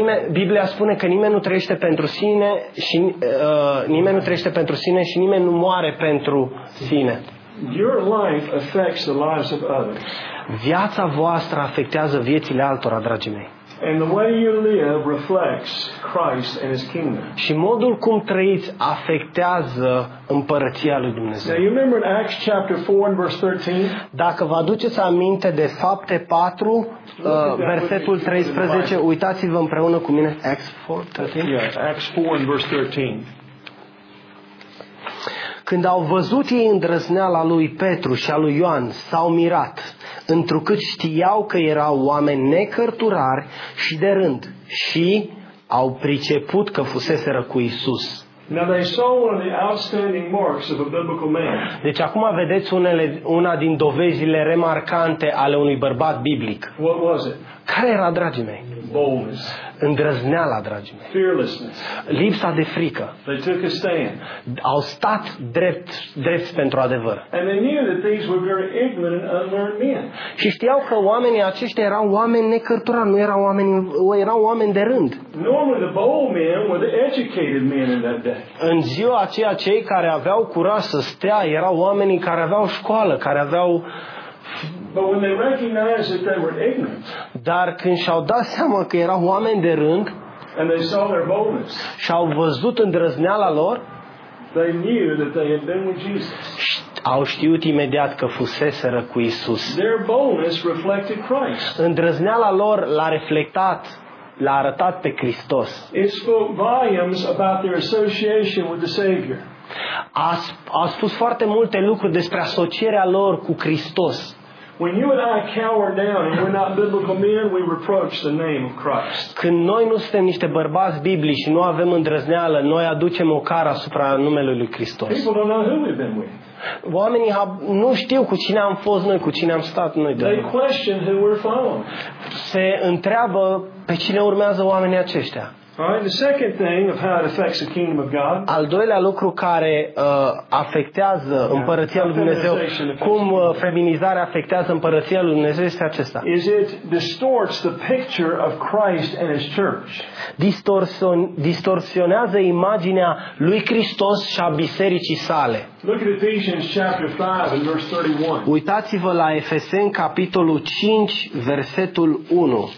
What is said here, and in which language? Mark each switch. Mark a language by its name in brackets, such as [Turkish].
[Romanian] Biblia spune că nimeni nu trăiește pentru sine și nimeni nu trăiește pentru sine și nimeni nu moare pentru sine. [English] Your life affects the lives of others. [Romanian] Viața voastră afectează viețile altora, dragii mei. [English] And the way you live reflects Christ and his kingdom. [Romanian] Și modul cum trăiți afectează împărăția lui Dumnezeu. [English] Now you remember in Acts chapter 4 and verse 13? [Romanian] Dacă vă aduceți aminte de Fapte 4, versetul 13, uitați-vă împreună cu mine Acts 4, 13. [English] Yeah, Acts 4 and verse 13. [Romanian] Când au văzut ei îndrăzneala lui Petru și a lui Ioan, s-au mirat, întrucât știau că erau oameni necărturari și de rând, și au priceput că fuseseră cu Iisus. [English] Now they saw one of the outstanding marks of a biblical man. [Romanian] Deci acum vedeți una din dovezile remarcante ale unui bărbat biblic. [English] What was it? [Romanian] Care era, dragii mei? [English] Boldness. [Romanian] Îndrăzneala, dragii mei. [English] Fearlessness. [Romanian] Lipsa de frică. [English] They took a stand. [Romanian] Au stat drept pentru adevăr. [English] And they knew that these were very ignorant and unlearned men. [Romanian] Și știau că oamenii aceștia erau oameni necărturați, nu erau oameni, erau oameni de rând. [English] Normally the bold men were the educated men in that day. [Romanian] În ziua aceea, cei care aveau curaj să stea erau oamenii care aveau școală, care aveau. [English] But when they recognized that they were ignorant, [Romanian] dar când și-au dat seama că erau oameni de rând, [English] and they saw their boldness, [Romanian] și-au văzut îndrăzneala lor, [English] they knew that they had been with Jesus. [Romanian] au știut imediat că fuseseră cu Isus. [English] Their boldness reflected Christ. [Romanian] Îndrăzneala lor l-a reflectat, l-a arătat pe Hristos. [English] It spoke volumes about their association with the Savior. [Romanian] A spus foarte multe lucruri despre asocierea lor cu Hristos. [English] When you and I cower down and we're not biblical men, we reproach the name of Christ. [Romanian] Când noi nu suntem niște bărbați biblici și nu avem îndrăzneală, noi aducem ocară asupra numelui lui Hristos. [English] People don't know who we've been with. [Romanian] Oamenii nu știu cu cine am fost noi, cu cine am stat noi. [English] They question who we're following. [Romanian] Se întreabă pe cine urmează oamenii aceștia. [English] Alright, the second thing of how it affects the kingdom of God. [Romanian] Al doilea lucru care afectează împărăția lui Dumnezeu, cum feminizarea afectează împărăția lui Dumnezeu, este acesta. [English] Is it distorts the picture of Christ and his church. [Romanian] Distorsionează imaginea lui Hristos și a bisericii sale. [English] Look at Ephesians chapter 5 and verse 31. [Romanian] Uitați-vă la Efeseni capitolul 5, versetul 1.